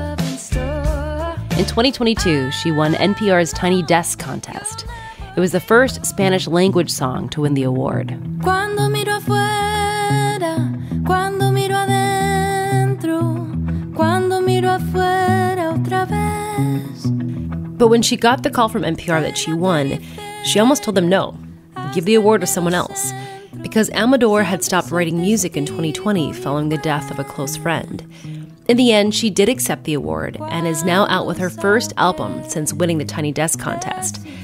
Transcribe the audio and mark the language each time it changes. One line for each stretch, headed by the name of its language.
English: In 2022, she won NPR's Tiny Desk Contest. It was the first Spanish language song to win the award.
Spanish: Cuando miro afuera, cuando miro adentro, cuando miro afuera otra vez.
English: But when she got the call from NPR that she won, she almost told them no, give the award to someone else. Because Amador had stopped writing music in 2020 following the death of a close friend. In the end, she did accept the award and is now out with her first album since winning the Tiny Desk Contest.